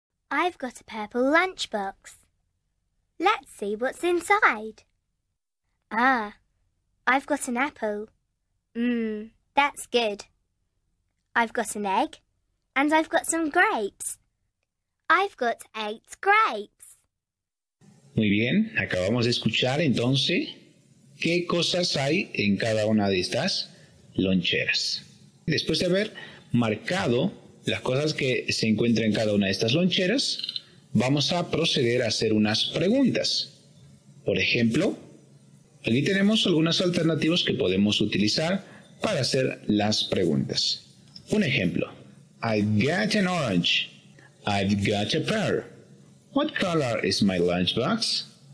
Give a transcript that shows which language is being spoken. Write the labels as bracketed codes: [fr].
[en] I've got a purple lunchbox. Let's see what's inside. Ah, I've got an apple. Mmm, that's good. I've got an egg, and I've got some grapes. I've got 8 grapes. [es] Muy bien, acabamos de escuchar entonces qué cosas hay en cada una de estas loncheras. Después de haber marcado las cosas que se encuentran en cada una de estas loncheras, vamos a proceder a hacer unas preguntas. Por ejemplo, aquí tenemos algunas alternativas que podemos utilizar para hacer las preguntas. Un ejemplo. [en] I've got an orange. I've got a pear. What color is my lunchbox?